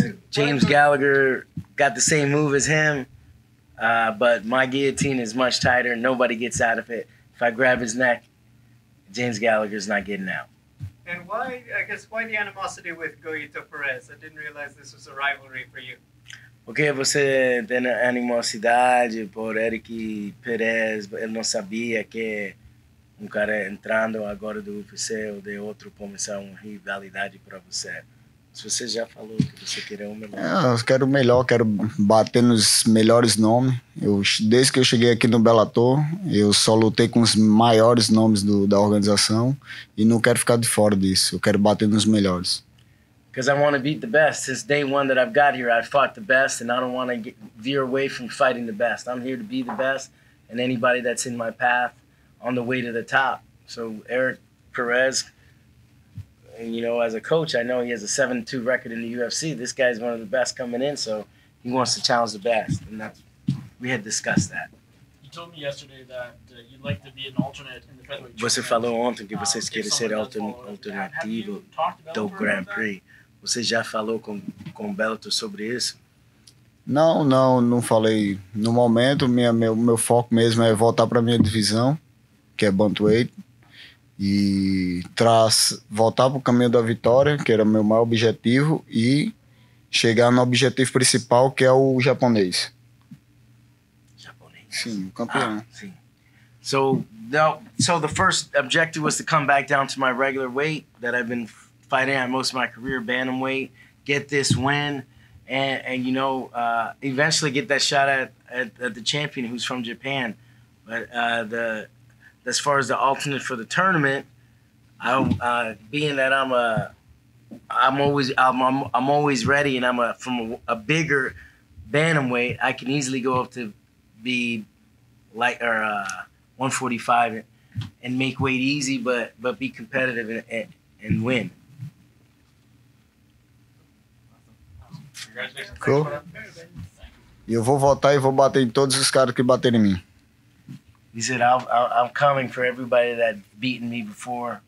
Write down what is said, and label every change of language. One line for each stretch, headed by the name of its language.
English: James Gallagher got the same move as him, but my guillotine is much tighter. Nobody gets out of it. If I grab his neck, James Gallagher's not getting out. And why the animosity with Goyito Perez? I didn't realize this was a rivalry for you.
Portuguese: Porque você tem animosidade por Erik Perez. Ele não sabia que cara entrando agora do UFC ou de outro começar uma rivalidade para você. Se você já falou que você queria o melhor. Eu quero bater nos melhores nomes. Desde que eu cheguei aqui no Bellator, eu só lutei com os maiores nomes da organização e não quero ficar de fora disso. Eu quero bater nos melhores.
English: Because I want to beat the best. Since day one that I've got here, I've fought the best and I don't want to veer away from fighting the best. I'm here to be the best and anybody that's in my path on the way to the top. So Erik Perez, and you know, as a coach, I know he has a 7-2 record in the UFC. This guy's one of the best coming in, so he wants to challenge the best. And we had discussed that. You told me yesterday that you'd like to be an alternate in the featherweight.
Portuguese: Você falou ontem que você queria ser alternativo do Grand Prix. Você já falou com o Bellator sobre isso? Não falei. No momento, meu foco mesmo é voltar para minha divisão, que é bantamweight, e voltar para o caminho da vitória, que era meu maior objetivo, e chegar no objetivo principal, que é o japonês. Japonês. Sim, o campeão. Ah, sim.
English: So the first objective was to come back down to my regular weight that I've been fighting at most of my career, bantamweight, get this win, and you know, eventually get that shot at the champion who's from Japan. But as far as the alternate for the tournament, I'm always ready, and I'm from a bigger bantamweight. I can easily go up to be light or 145 and make weight easy, but be competitive and win. Awesome. Cool.
Portuguese: E eu vou voltar e vou bater em todos os caras que baterem em mim.
English: He said, I'm coming for everybody that beaten me before.